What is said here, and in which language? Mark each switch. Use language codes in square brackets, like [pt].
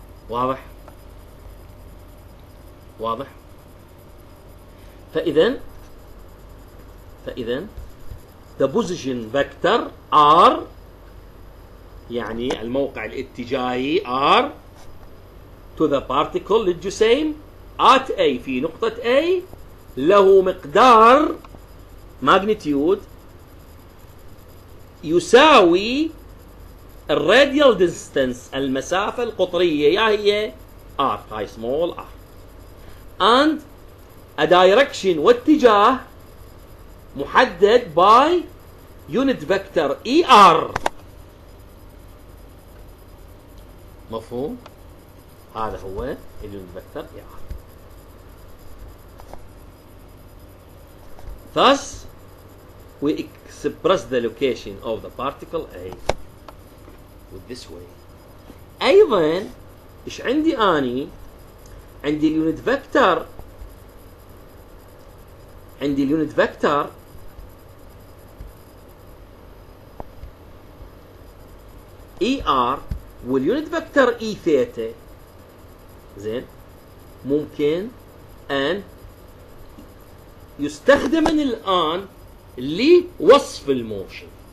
[en] واضح؟ فإذا the position vector r، [ar] يعني الموقع الاتجاهي r [en] to the particle للجسيم at a، [ar] في نقطة a له مقدار ماجنتيود يساوي الراديال ديستنس، المسافة القطرية، يا هي r، هاي سمول r، [en] and a direction، [ar] واتجاه محدد [en] by unit vector er. [ar] مفهوم؟ هذا هو اليونت فيكتور er. [en] thus we express the location of the particle A with this way. [ar] ايضا ايش عندي اني؟ عندي اليونت فيكتور، عندي اليونت فيكتور اي ار، واليونت فيكتور اي ثيتا، زين، ممكن ان يستخدم الان لوصف الموشن،